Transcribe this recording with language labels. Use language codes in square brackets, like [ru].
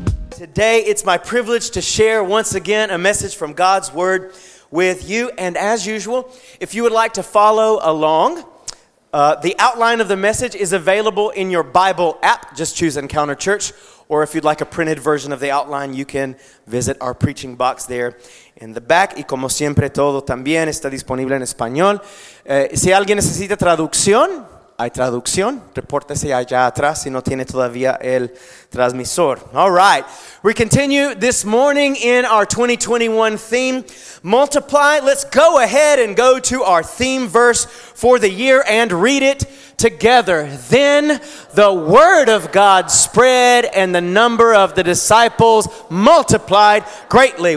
[en] Today, it's my privilege to share once again a message from God's Word with you. And as usual, if you would like to follow along, the outline of the message is available in your Bible app. Just choose Encounter Church. Or if you'd like a printed version of the outline, you can visit our preaching box there in the back. [es] Y como siempre, todo también está disponible en español. Si alguien necesita traducción, hay traducción. Repórtese allá atrás si no tiene todavía el transmisor. [en] All right. We continue this morning in our 2021 theme, Multiply. Let's go ahead and go to our theme verse for the year and read it together. Then the word of God spread and the number of the disciples multiplied greatly.